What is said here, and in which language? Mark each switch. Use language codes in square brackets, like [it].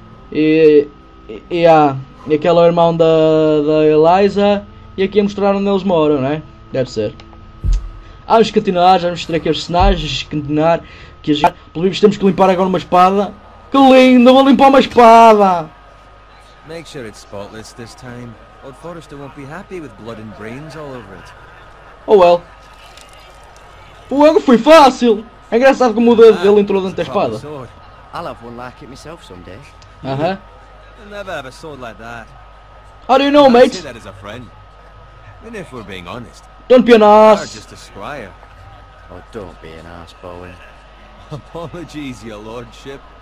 [pt] E aquele é o irmão da Eliza. E aqui a mostrar onde eles moram, né? Deve ser. Vamos continuar, já mostrei aqui os cenários. Pelo menos temos que limpar agora uma espada. Que lindo, vou limpar uma espada! [en] Make sure it's spotless this time. Old Forrester won't be happy with blood and brains all over it. Oh well. [pt] O jogo foi fácil! É engraçado como o dedo dele entrou dentro da espada. [en] I'll have one like it myself someday. I'll never have a sword like that. How do you know, mate? I'd say that as a friend. And if we're being honest. Don't be an ass! Just a squire. Oh, don't be an ass, Bowen. Apologies, your lordship.